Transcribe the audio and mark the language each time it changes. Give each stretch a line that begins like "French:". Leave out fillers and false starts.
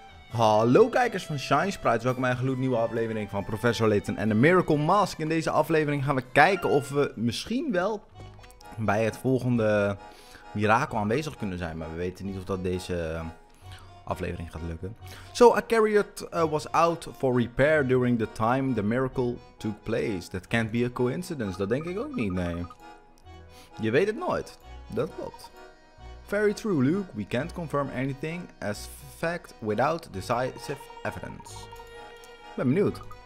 Dutch: Hallo kijkers van ShineSprites, welkom bij een gloednieuwe aflevering van Professor Layton en de Miracle Mask. In deze aflevering gaan we kijken of we misschien wel bij het volgende mirakel aanwezig kunnen zijn. Maar we weten niet of dat deze aflevering gaat lukken.
English: So, a chariot was out for repair during the time the miracle took place. That can't be a coincidence,
Dutch: dat denk ik ook niet, nee. Je weet het nooit, dat klopt.
English: Very true, Luke. We can't confirm anything as fact without decisive evidence.
Dutch: Ben benieuwd.